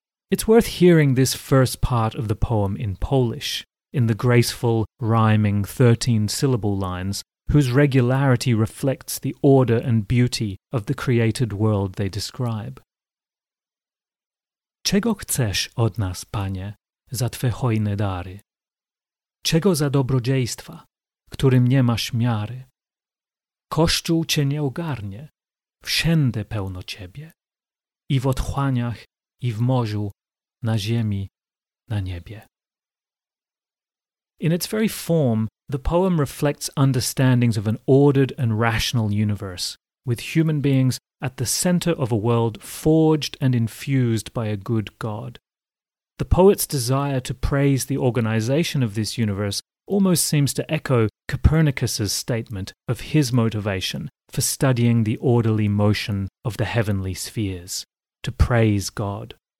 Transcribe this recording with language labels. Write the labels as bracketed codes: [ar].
[en] It's worth hearing this first part of the poem in Polish, in the graceful, rhyming 13-syllable lines, whose regularity reflects the order and beauty of the created world they describe. [pl] Czego chcesz od nas, Panie, za Twe hojne dary? Czego za dobrodziejstwa, którym nie masz miary? Kościół Cię nie ogarnie, wszędzie pełno Ciebie, i w otchłaniach, i w morzu, na ziemi, na niebie. [en] In its very form, the poem reflects understandings of an ordered and rational universe, with human beings at the center of a world forged and infused by a good God. The poet's desire to praise the organization of this universe almost seems to echo Copernicus's statement of his motivation for studying the orderly motion of the heavenly spheres, to praise God.